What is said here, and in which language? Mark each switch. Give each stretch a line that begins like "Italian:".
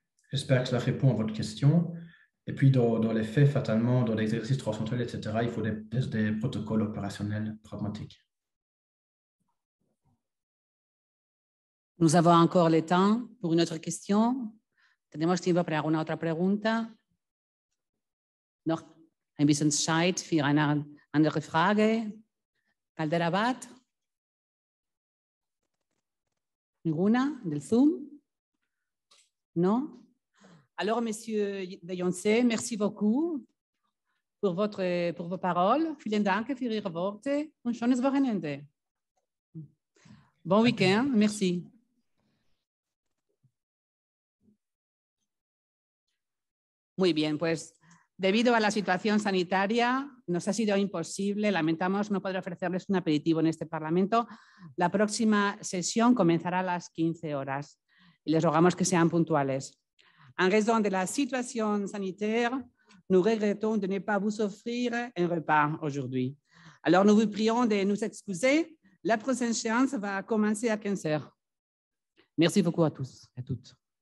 French: J'espère que cela répond à votre question. Et puis, dans les faits, fatalement, dans l'exercice transfrontal, etc., il faut des protocoles opérationnels pragmatiques. Nous avons encore le temps pour une autre question.
Spanish: Tenemos tiempo para una otra pregunta.
German: Noch ein bisschen Zeit für eine andere Frage. Caldera Bat.
Spanish: Ninguna del Zoom? Non?
French: Alors, Monsieur de Jonsé, merci beaucoup pour vos paroles.
German: Vielen Dank für Ihre Worte. Un schönes Wochenende.
French: Bon week-end. Merci.
Spanish: Muy bien, pues debido a la situación sanitaria nos ha sido imposible, lamentamos no poder ofrecerles un aperitivo en este Parlamento. La próxima sesión comenzará a las 15 horas y les rogamos que sean puntuales.
French: En raison de la situation sanitaire, nous regrettons de ne pas vous offrir un repas aujourd'hui. Alors nous vous prions de nous excuser. La prochaine séance va commencer à 15 heures. Merci beaucoup à tous et à toutes.